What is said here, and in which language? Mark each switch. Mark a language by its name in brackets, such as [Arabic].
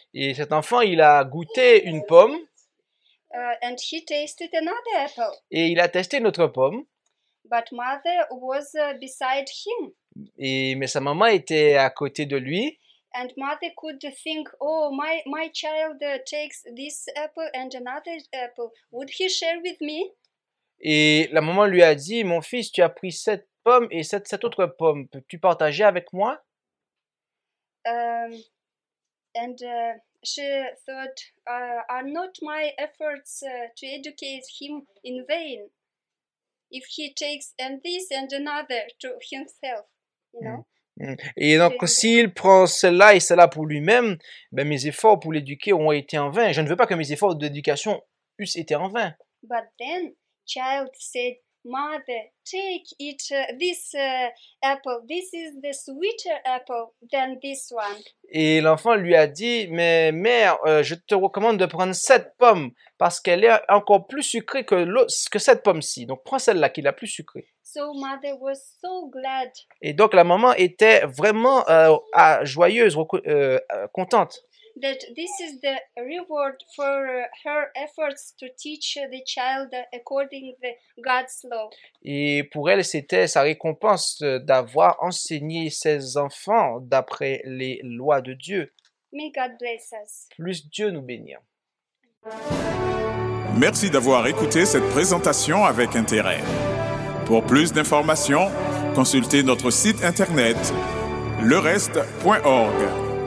[French] Et cet enfant, il a goûté une pomme. [English] And he tasted another apple. [French] Et il a testé une autre pomme. [English] But mother was beside him. [French] Mais sa maman était à côté de lui. [English] And mother could think, oh, my child takes this apple and another apple. Would he share with me? [French] Et la maman lui a dit, mon fils, tu as pris cette pomme et cette autre pomme. Peux-tu partager avec moi? [English] And she thought, are not my efforts to educate him in vain? If he takes and this and another to himself, you know. [French] Et donc s'il prend cela et cela pour lui-même, ben mes efforts pour l'éduquer ont été en vain. Je ne veux pas que mes efforts d'éducation eussent été en vain. [English] But then, child said, mother, take it this apple. This is the sweeter apple than this one. [French] Et l'enfant lui a dit, mais mère, je te recommande de prendre cette pomme parce qu'elle est encore plus sucrée que cette pomme-ci. Donc prends celle-là qui est la plus sucrée. [English] So mother was so glad. [French] Et donc la maman était vraiment joyeuse, contente. [English] That this is the reward for her efforts to teach the child according to God's law. [French] Et pour elle, c'était sa récompense d'avoir enseigné ses enfants d'après les lois de Dieu. [English] May God bless us. [French] Plus Dieu nous bénir. Merci d'avoir écouté cette présentation avec intérêt. Pour plus d'informations, consultez notre site internet lereste.org.